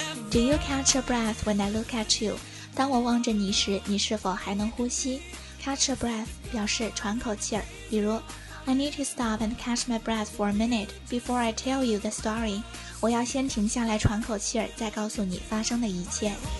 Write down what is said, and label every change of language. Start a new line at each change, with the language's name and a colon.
English: Do you catch a breath when I look at you?
Chinese: 当我望着你时，你是否还能呼吸？
English: Catch a breath
Chinese: 表示喘口气儿，比如
English: I need to stop and catch my breath for a minute before I tell you the story.
Chinese: 我要先停下来喘口气儿，再告诉你发生的一切。